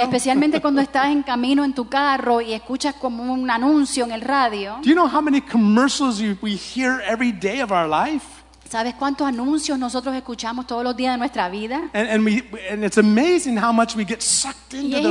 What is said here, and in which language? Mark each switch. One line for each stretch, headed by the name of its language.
Spanish: especialmente cuando estás en camino en tu carro y escuchas como un anuncio en el radio.
English: Do you know how many commercials we hear every day of our life?
Spanish: ¿Sabes cuántos anuncios nosotros escuchamos todos los días de nuestra vida?
English: And it's amazing how much we get sucked into those.